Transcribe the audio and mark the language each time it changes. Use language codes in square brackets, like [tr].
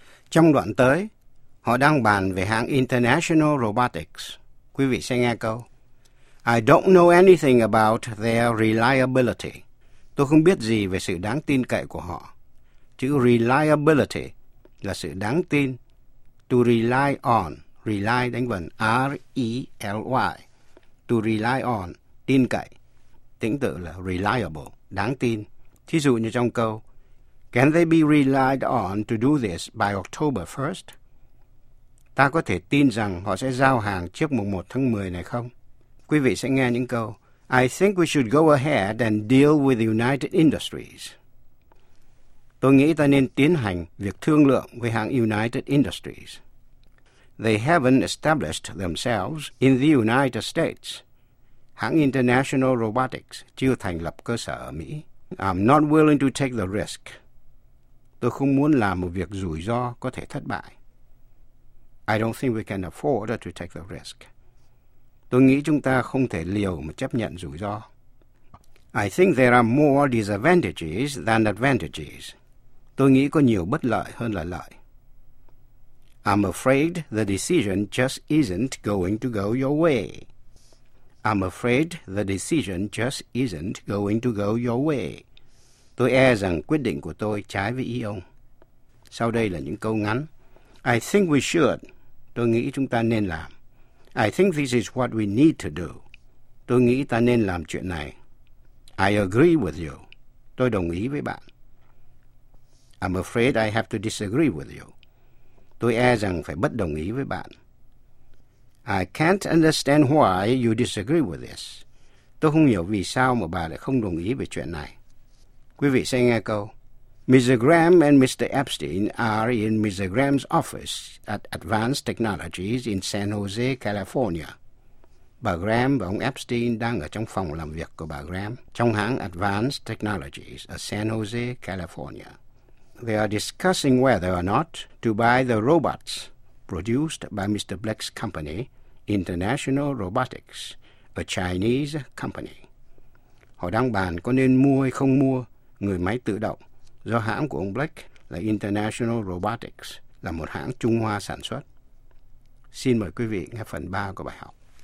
[vi] Trong đoạn tới, họ đang bàn về hãng International Robotics. Quý vị sẽ nghe câu. [en] I don't know anything about their reliability. [vi] Tôi không biết gì về sự đáng tin cậy của họ. Chữ reliability là sự đáng tin. [en] To rely on. Rely [vi] đánh vần [en] R-E-L-Y. To rely on. [vi] Tin cậy. Tính tự là reliable. Đáng tin. Thí dụ như trong câu. [en] Can they be relied on to do this by October 1st? [vi] Ta có thể tin rằng họ sẽ giao hàng trước mùng 1 tháng 10 này không? Quý vị sẽ nghe những câu. [en] I think we should go ahead and deal with United Industries. [vi] Tôi nghĩ ta nên tiến hành việc thương lượng với hãng United Industries. [en] They haven't established themselves in the United States. [vi] Hãng International Robotics chưa thành lập cơ sở ở Mỹ. [en] I'm not willing to take the risk. [vi] Tôi không muốn làm một việc rủi ro có thể thất bại. [en] I don't think we can afford to take the risk. [vi] Tôi nghĩ chúng ta không thể liều mà chấp nhận rủi ro. [en] I think there are more disadvantages than advantages. [vi] Tôi nghĩ có nhiều bất lợi hơn là lợi. [en] I'm afraid the decision just isn't going to go your way. I'm afraid the decision just isn't going to go your way. [vi] Tôi e rằng quyết định của tôi trái với ý ông. Sau đây là những câu ngắn. [en] I think we should. [vi] Tôi nghĩ chúng ta nên làm. [en] I think this is what we need to do. [vi] Tôi nghĩ ta nên làm chuyện này. [en] I agree with you. [vi] Tôi đồng ý với bạn. [en] I'm afraid I have to disagree with you. [vi] Tôi e rằng phải bất đồng ý với bạn. [en] I can't understand why you disagree with this. [vi] Tôi không hiểu vì sao mà bà lại không đồng ý về chuyện này. Quý vị sẽ nghe câu. [en] Ms. Graham and Mr. Epstein are in Ms. Graham's office at Advanced Technologies in San Jose, California. [vi] Bà Graham và ông Epstein đang ở trong phòng làm việc của bà Graham trong hãng Advanced Technologies ở San Jose, California. [en] They are discussing whether or not to buy the robots produced by Mr. Black's company, International Robotics, a Chinese company. [vi] Họ đang bàn có nên mua hay không mua người máy tự động do hãng của ông Blake là International Robotics, là một hãng Trung Hoa sản xuất. Xin mời quý vị nghe phần 3 của bài học.